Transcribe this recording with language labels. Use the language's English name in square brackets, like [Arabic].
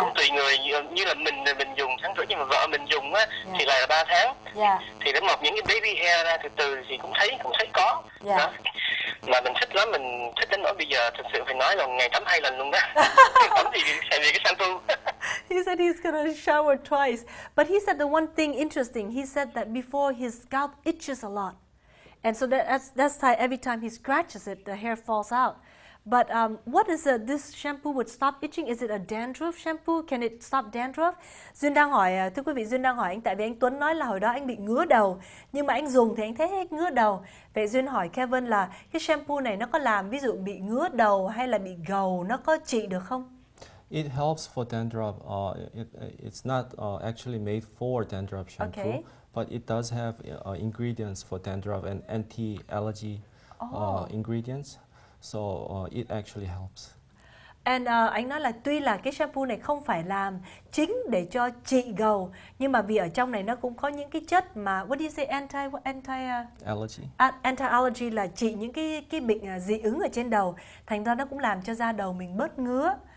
[Vietnamese] Cũng tùy người, như là mình dùng 1.5 tháng, nhưng mà vợ mình dùng á thì lại là 3 tháng. Thì nó mọc những cái baby hair ra từ từ thì cũng thấy có. Mà mình thích lắm, mình thích đến nỗi bây giờ thực sự phải nói là ngày tắm 2 lần luôn đó. Tắm thì xài về cái shampoo. [English] He said he's gonna shower twice, but he said the one thing interesting, he said that before his scalp itches a lot, and so that's why every time he scratches it, the hair falls out. But what is this shampoo would stop itching? Is it a dandruff shampoo? Can it stop dandruff? [Vietnamese] Duyên đang hỏi, thưa quý vị, Duyên đang hỏi anh, tại vì anh Tuấn nói là hồi đó anh bị ngứa đầu, nhưng mà anh dùng thì anh thấy hết ngứa đầu. Vậy Duyên hỏi Kevin là cái shampoo này nó có làm ví dụ bị ngứa đầu hay là bị gầu, nó có trị được không? [English] It helps for dandruff. It's not actually made for dandruff shampoo, okay. But it does have ingredients for dandruff and anti-allergy ingredients. So it actually helps. [Vietnamese] And anh nói là tuy là cái shampoo này không phải làm chính để cho trị gầu, nhưng mà vì ở trong này nó cũng có những cái chất mà [English] what do you say, [Vietnamese] anti-allergy. Anti-allergy là trị những cái bệnh dị ứng ở trên đầu, thành ra nó cũng làm cho da đầu mình bớt ngứa.